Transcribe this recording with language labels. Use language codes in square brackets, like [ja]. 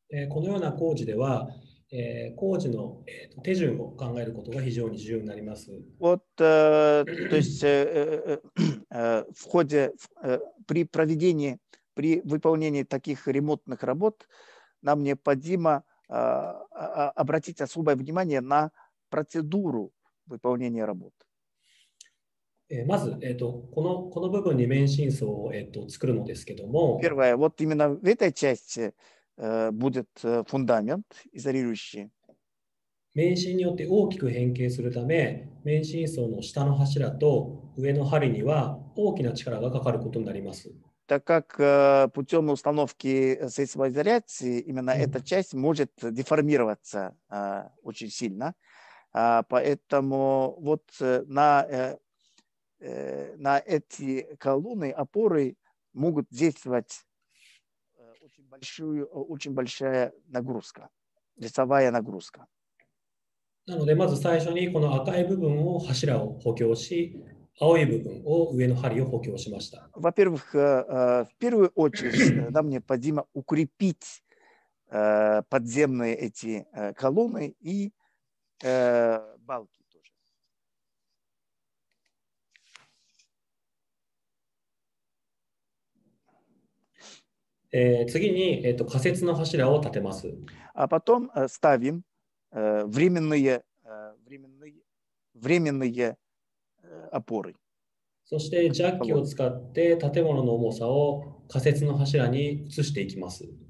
[ja] このような工事では、工事の手順を考えることが非常に重要になります。 [ru] Вот, то есть, в ходе, при проведении, при выполнении таких ремонтных работ, нам необходимо обратить особое внимание на процедуру выполнения работ. [ja] まず、この部分に免震層を、作るのですけども。 [ru] Первое, вот именно в этой части будет фундамент изолирующий. [ja] 免震によって大きく変形するため、免震層の下の柱と上の梁には大きな力がかかることになります。 [ru] Так как путем установки сейсмоизоляции именно эта часть может деформироваться очень сильно, поэтому вот на эти колонны, опоры могут действовать очень большая нагрузка, лицевая нагрузка. [ja] なので、まず最初にこの赤い部分を柱を補強し、青い部分を上の梁を補強しました。 [ru] Во-первых, в первую очередь нам необходимо укрепить подземные эти колонны и балки тоже. [ja] Э, 次に仮設の柱を立てます。 [ru] А потом ставим временные опоры. [ja] そしてジャッキを使って建物の重さを仮設の柱に移していきます。